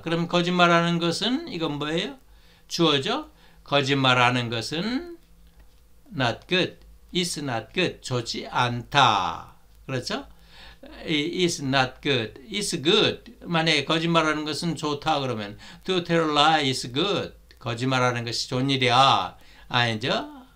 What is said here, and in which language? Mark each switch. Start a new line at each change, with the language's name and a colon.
Korean: 그럼 거짓말하는 것은 이건 뭐예요? 주어죠. 거짓말하는 것은
English: not good. is not good.
Korean: 좋지 않다. 그렇죠?
English: is not good. is good.
Korean: 만약에 거짓말하는 것은 좋다. 그러면
English: to tell a lie is good.
Korean: 거짓말하는 것이 좋은 일이야. 아니죠?